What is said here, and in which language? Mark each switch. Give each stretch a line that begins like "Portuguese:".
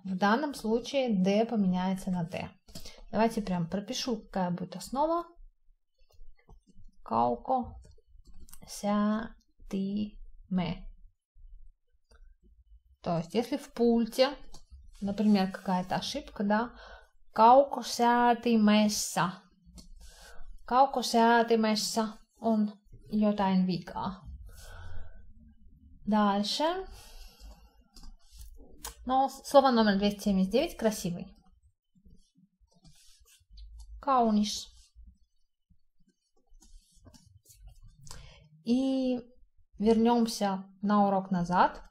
Russian: В данном случае д поменяется на т. Давайте прям пропишу, какая будет основа. Кауко ся ты ме. То есть, если в пульте, например, какая-то ошибка, да, kaukosäätimessä.
Finnish: Kaukosäätimessä on jotain vikaa.
Russian: Дальше. No, слово номер 279, красивый.
Finnish: Kaunis.
Russian: И вернемся на урок назад.